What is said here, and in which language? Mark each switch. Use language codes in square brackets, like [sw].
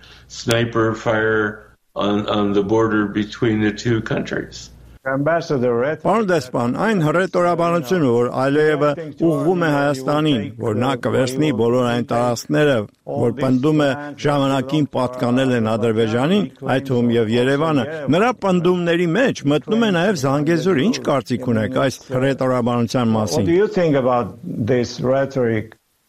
[en] Sniper fire on the border between the two countries. [hy] Պարոն Դեսպան, այն հռետորաբանությունը, որ Ալիևը ուղղում է Հայաստանին, որ նա կվերցնի բոլոր այն տարածքները, որ պնդում է ժամանակին պատկանել են Ադրբեջանին, այդ թվում եւ Երևանը, նրա պնդումների մեջ մտնում է նաեւ Զանգեզուրը։ Ինչ կարծիք ունեք այս հռետորաբանության մասին? [en] What do you think about this rhetoric?